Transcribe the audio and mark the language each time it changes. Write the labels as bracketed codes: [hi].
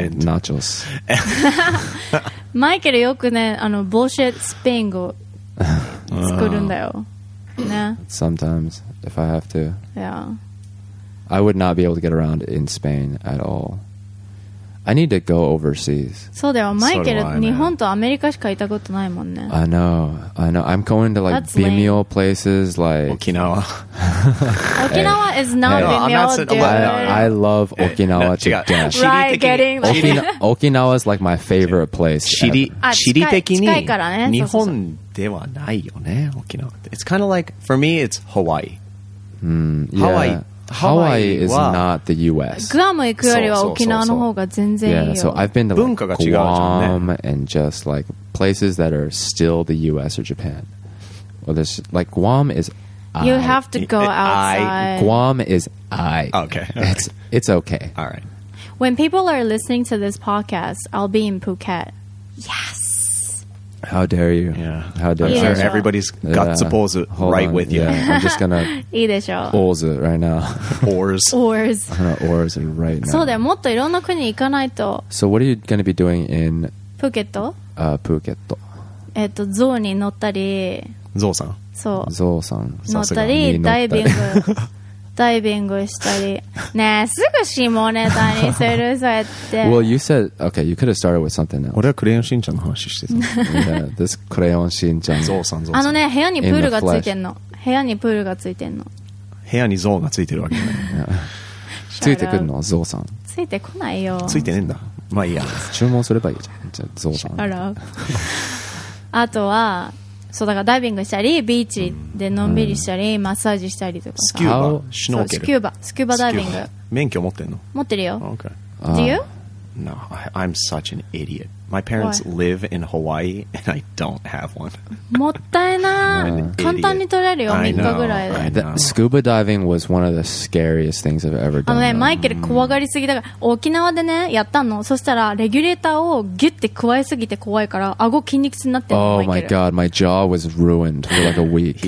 [en] nachos. [ja] Michael, よくね、あの bullshit Spain 語作るんだよ。ね。 [en] Sometimes, if I have to. Yeah. I would not be able to get around in Spain at all. I need to go overseas. [ja] そうだよ、マイケル、日本とアメリカしかいたことないもんね。 [en] I know, I know. I'm going to like bimyo places like [ja] 沖縄。 [en] Okinawa is not bimyo, dude. I love Okinawa to death. Right, getting Okinawa is like my favorite place. [ja] 地理的に日本ではないよね、沖縄。 [en] It's kind of like for me, it's Hawaii. Hawaii. Hawaii is not the U.S. [ja] Guam は行くよりは沖縄の方が全然いいよ。 [en] Yeah, so I've been to like Guam and just like places that are still the U.S. or Japan. Well, there's like Guam is. You have to go outside. Guam is I. Okay. It's okay. All right. When people are listening to this podcast, I'll be in Phuket. Yes. How dare you? Yeah. How dare you? Sure, everybody's got to pause it right with you. Yeah, I'm just gonna pause it right now. Oars. I'm gonna oars it right now. [ja] そうだよ。もっといろんな国に行かないと。 [en] So what are you gonna be doing in Phuket? Phuket. [ja] ゾウに乗ったり。ゾウさん。そう。ゾウさん。乗ったり、ダイビング。ダイビングしたり。ねえ、すぐ下ネタにするぞやって。 [en] Well, you said, okay, you could have started with something else. [ja] 俺はクレヨンしんちゃんの話してた。 [en] Yeah, this クレヨンしんちゃん。 [ja] ゾウさん、ゾウさん。あのね、部屋にプールがついてんの。部屋にプールがついてんの。部屋にゾウがついてるわけね。ついてくるの、ゾウさん。ついてこないよ。ついてねえんだ。まあいいや。注文すればいいじゃん。じゃあ、ゾウさん。あとは、そうだからダイビングしたりビーチでのんびりしたり、うん、マッサージしたりとかスキューバーシュノーケルスキューバスキューバダイビング免許持ってんの持ってるよ、 [en] okay. Do you? No, I'm such an idiot. My parents、Why? Live in Hawaii and I don't have one. [ja] もったいな簡単に取れるよ3日ぐらいで [en] Scuba diving was one of the scariest things I've ever done. [ja] あのねマイケル怖がりすぎだから、うん、沖縄でねやったのそしたらレギュレーターをギュッて加えすぎて怖いから顎筋肉痛になってるの [en] Oh my god, my jaw was ruined for like a week.